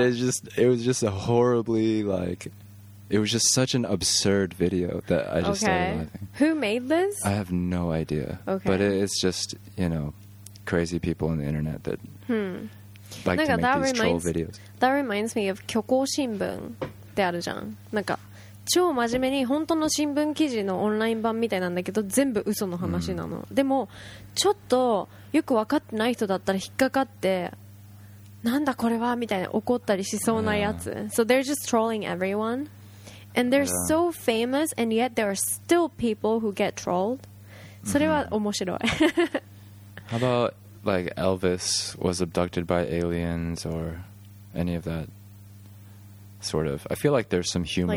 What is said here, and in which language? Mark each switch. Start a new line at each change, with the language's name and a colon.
English: And it was just a horribly, like, it was just such an absurd video that I just started laughing. Who made this? I have no idea. Okay. But it's just, you know, crazy people on the internet that like to make these troll videos. That reminds me of
Japanese: 虚構新聞ってあるじゃん。なんか超真面目に本当の新聞記事のオンライン版みたいなんだけど、全部嘘の話なの。でもちょっとよく分かってない人だったら引っかかって、なんだこれはみたいな怒ったりしそうなやつ。
English: So they're just trolling everyone. And they're so famous, and yet there are still people who get trolled.
Japanese: それは面白い。
English: How about like Elvis was abducted by aliens or any of that sort of? I feel like there's some humor